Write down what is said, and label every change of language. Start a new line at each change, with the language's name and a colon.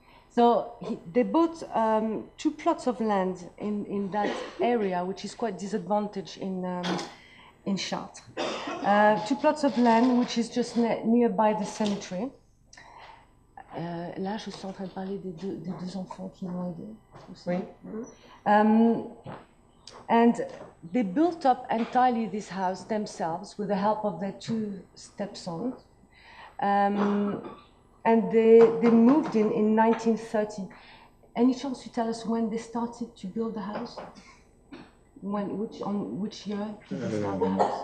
English: So they bought two plots of land in that area, which is quite disadvantaged in Chartres. Two plots of land, which is just nearby the cemetery.
French: Là, je suis en train de parler des deux enfants qui m'ont aidé. Aussi. Oui.
English: And they built up entirely this house themselves with the help of their two stepsons. And they moved in 1930. Any chance you tell us when they started to build the house? On which year did they start the house?